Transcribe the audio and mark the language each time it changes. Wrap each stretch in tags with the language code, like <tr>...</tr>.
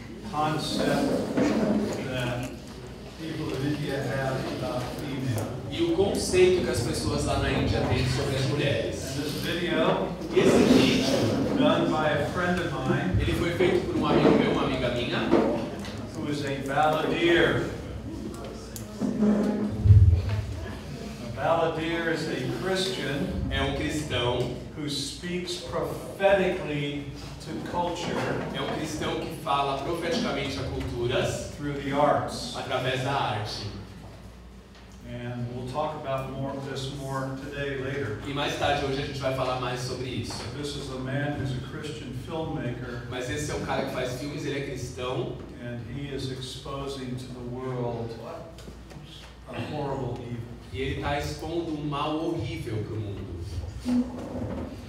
<en>Concept that people of India have about female.</en> <pt>E o conceito que as pessoas lá na Índia têm sobre as mulheres.</pt> <en>And this video,</en> <pt>esse vídeo,</pt> <en>done by a friend of mine,</en> <pt>ele foi feito por um amigo meu, uma amiga minha,</pt> <en>who is a balladeer. A balladeer is a Christian,</en> <pt>é um cristão,</pt> <en>who speaks prophetically. To culture,</en> <pt>é um cristão que fala profeticamente a culturas</pt> <en>through the arts,</en> <pt>através da arte.</pt> <en>And we'll talk about more of this more today later.</en> <pt>E mais tarde hoje a gente vai falar mais sobre isso.</pt> <en>This is a man who's a Christian filmmaker.</en> <pt>Mas esse é um cara que faz filmes, ele é cristão.</pt> <en>And he is exposing to the world a horrible evil.</en> <pt>E ele está expondo um mal horrível para o mundo.</pt>